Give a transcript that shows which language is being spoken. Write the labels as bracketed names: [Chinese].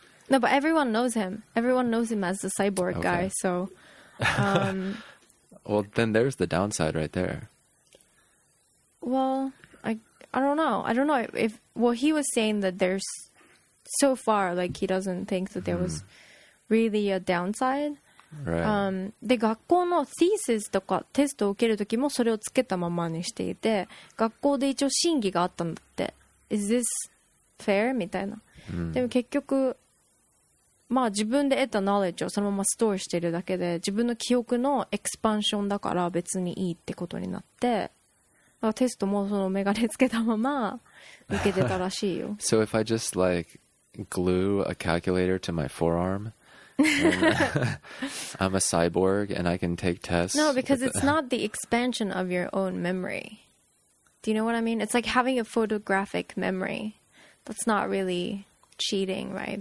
[English] No, but everyone knows him. Everyone knows him as the cyborg okay. guy, so... well, then there's the downside right there. Well, I don't know. I don't know if... Well, he was saying that there's... So far, like, he doesn't think that there was really a downside. Right. [Japanese] で、学校のthesisとかテストを受けるときもそれをつけたままにしていて、学校で一応審議があったんだって。 [English] Is this... Fair? [Japanese] みたいな、でも結局まあ自分で得た knowledge をそのままストアしてるだけで自分の記憶のエクスパンションだから別にいいってことになって、だからテストもそのメガネつけたまま受けてたらしいよ。 [English] So if I just like glue a calculator to my forearm I'm a cyborg and I can take tests. No, because it's not the expansion of your own memory. Do you know what I mean? It's like having a photographic memoryThat's not really cheating, right?